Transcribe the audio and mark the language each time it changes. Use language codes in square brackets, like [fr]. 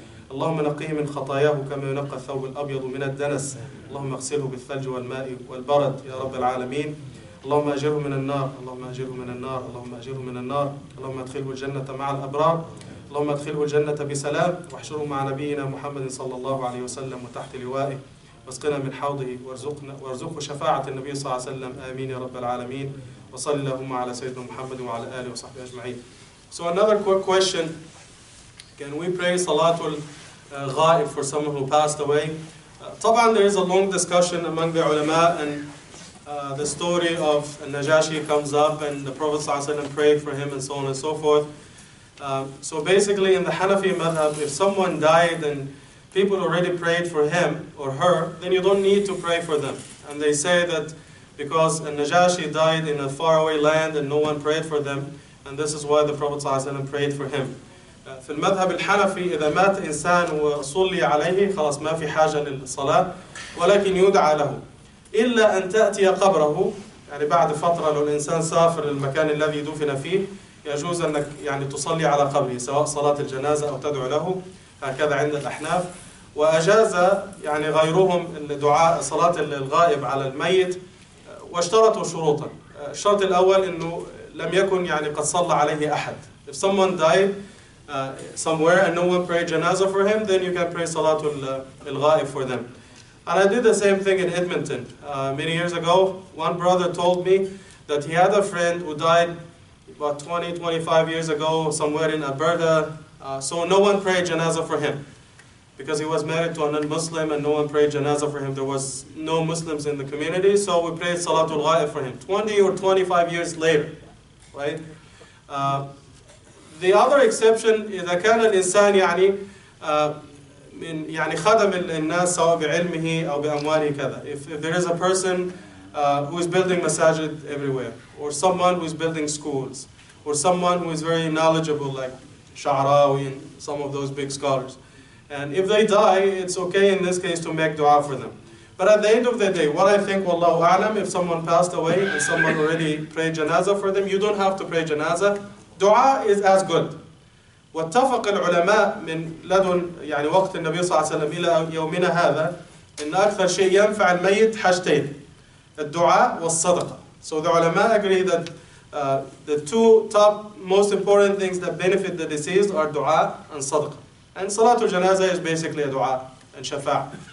[ar] اللهم نقيه من خطاياه كما ينقى الثوب الأبيض من الدنس، اللهم اغسله بالثلج والماء والبرد يا رب العالمين، اللهم أجره من النار، اللهم أجره من النار، اللهم أجره من النار، اللهم أدخله الجنة مع الأبرار، اللهم أدخله الجنة بسلام، واحشره مع نبينا محمد صلى الله عليه وسلم وتحت لوائه، واسقنا من حوضه وارزقه شفاعة النبي صلى الله عليه وسلم، آمين يا رب العالمين، وصل اللهم على سيدنا محمد وعلى آله وصحبه أجمعين. [en] So another quick question. Can we pray Salatul Ghaib for someone who passed away? Taban, there is a long discussion among the ulama, and the story of Najashi comes up, and the Prophet ﷺ prayed for him, and so on and so forth. So basically, in the Hanafi madhab, if someone died and people already prayed for him or her, then you don't need to pray for them. And they say that because Najashi died in a faraway land and no one prayed for them, and this is why the Prophet ﷺ prayed for him. [ar] في المذهب الحنفي إذا مات إنسان وصلي عليه خلاص ما في حاجة للصلاة ولكن يدعى له إلا أن تأتي قبره، يعني بعد فترة لو الإنسان سافر للمكان الذي دفن فيه يجوز أنك يعني تصلي على قبره سواء صلاة الجنازة أو تدعو له، هكذا عند الأحناف. وأجاز يعني غيرهم الدعاء صلاة الغائب على الميت واشترطوا شروطا. الشرط الأول أنه لم يكن يعني قد صلى عليه أحد. [en] If someone died somewhere and no one prayed janaza for him, then you can pray Salatul Ghaib for them. And I did the same thing in Edmonton. Many years ago, one brother told me that he had a friend who died about 20, 25 years ago somewhere in Alberta. So no one prayed janaza for him because he was married to a non-Muslim and no one prayed janaza for him. There was no Muslims in the community, so we prayed Salatul Ghaib for him 20 or 25 years later, right? The other exception, [ar] إذا كان الإنسان يعني من يعني خدم الناس سواء بعلمه أو بأمواله كذا. [en] If there is a person who is building masajid everywhere, or someone who is building schools, or someone who is very knowledgeable, like Sha'rawi and some of those big scholars. And if they die, it's okay in this case to make dua for them. But at the end of the day, what I think, wallahu a'lam, if someone passed away and someone already prayed janazah for them, you don't have to pray janazah. Dua is as good. [ar] واتفق العلماء من لدن يعني وقت النبي صلى الله عليه وسلم إلى يومنا هذا إن أكثر شيء ينفع الميت حاجتين الدعاء والصدقة. [en] So the ulama agree that the two top most important things that benefit the deceased are dua and sadaqah. And salatul janazah is basically a dua and shafa'ah.